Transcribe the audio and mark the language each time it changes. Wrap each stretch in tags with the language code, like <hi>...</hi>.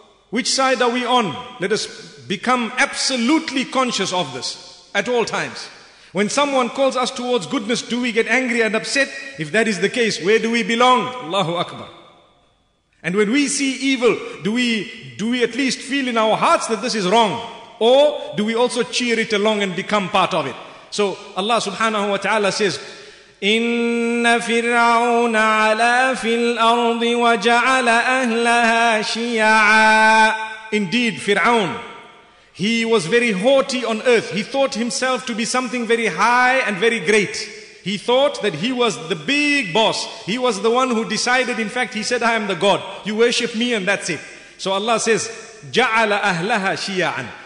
<en>Which side are we on? Let us become absolutely conscious of this at all times. When someone calls us towards goodness, do we get angry and upset? If that is the case, where do we belong? Allahu Akbar. And when we see evil, do we at least feel in our hearts that this is wrong? Or do we also cheer it along and become part of it? So Allah subhanahu wa ta'ala says,</en> <ar>إِنَّ فِرْعَوْنَ عَلَى فِي الْأَرْضِ وَجَعَلَ أَهْلَهَا شِيَعًا.</ar> <en>Indeed, Fir'aun, he was very haughty on earth. He thought himself to be something very high and very great. He thought that he was the big boss. He was the one who decided. In fact, he said, I am the God. You worship me and that's it. So Allah says,</en> <ar>Ja'ala ahlaha shia'an.</ar>